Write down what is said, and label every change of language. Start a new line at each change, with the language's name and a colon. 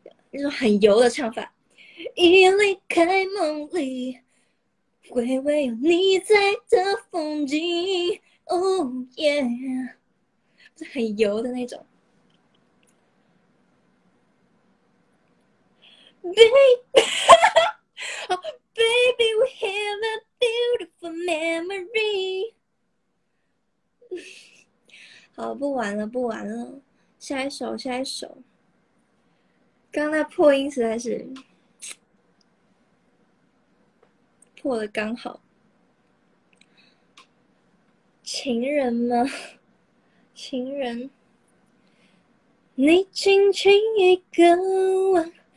Chinese: 那种很油的唱法，一离开梦里，回味有你在的风景。
English: Oh yeah，
Chinese: 很油的那种。
English: Baby, oh, baby, we have a beautiful memory.
Chinese: 好，不玩了，不玩了，下一首，下一首。刚那破音实在是破的刚好。情人吗？情人，你轻轻一个吻。